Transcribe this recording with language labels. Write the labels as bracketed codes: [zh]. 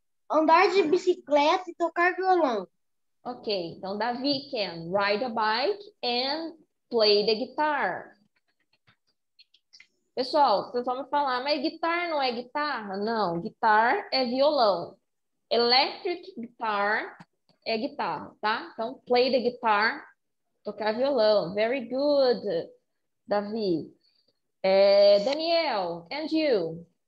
[pt] Andar de bicicleta e tocar violão. [en] Ok, então Davi can ride a bike and play the guitar. [pt] Pessoal, vocês vão me falar, mas guitar não é guitarra? Não, guitar é violão. Electric guitar é guitarra, tá? Então, [en] play the guitar, [pt] tocar violão. [en] Very good, Davi. Daniel, and you?